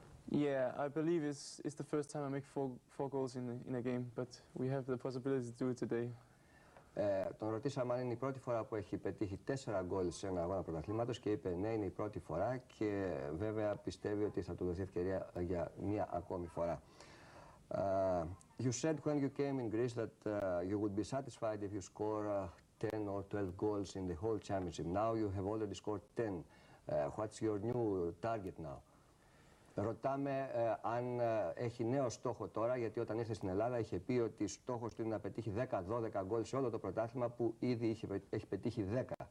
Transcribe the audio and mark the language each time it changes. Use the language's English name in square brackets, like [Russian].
[English] Yeah, I believe it's the first time I make four goals in a game, but we have the possibility to do it today. [Greek] Τον ρωτήσαμε αν είναι η πρώτη φορά που έχει πετύχει 4 γκολ σε ένα αγώνα πρωταθλήματος και είπε ναι, είναι η πρώτη φορά και βέβαια πιστεύει ότι θα του δοθεί ευκαιρία για μία ακόμη φορά. [English] You said when you came in Greece that you would be satisfied if you score 10 or 12 goals in the whole championship. Now you have already scored 10. What's your new target now? [Greek] Ρωτάμε αν έχει νέο στόχο τώρα, γιατί όταν ήρθε στην Ελλάδα είχε πει ότι στόχος του είναι να πετύχει 10-12 γκολ σε όλο το πρωτάθλημα, που ήδη έχει πετύχει 10.